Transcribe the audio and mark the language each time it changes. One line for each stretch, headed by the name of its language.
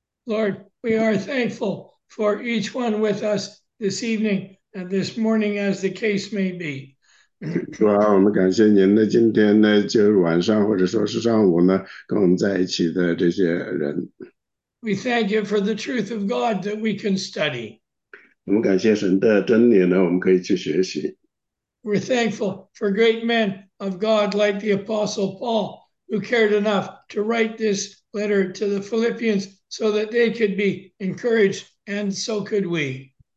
English: Lord, we are thankful for each one with us this evening and this morning, as the case may be.
Chinese: 主啊，我们感谢您的今天呢，就是晚上或者说是上午呢，跟我们在一起的这些人。
English: We thank you for the truth of God that we can study.
Chinese: 我们感谢神的真理呢，我们可以去学习。
English: We're thankful for great men of God like the Apostle Paul, who cared enough to write this letter to the Philippians so that they could be encouraged, and so could we.